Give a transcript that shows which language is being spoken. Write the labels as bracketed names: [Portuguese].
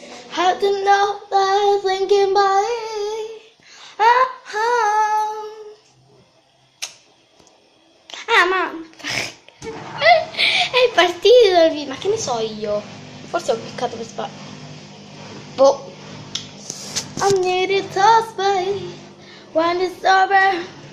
[English] Had to know that I'm thinking about it. [Italian] Ah, ma è partito il video. Ma che ne so io? Forse ho cliccato per sbaglio. [English] Boh. I need it to stay when it's over.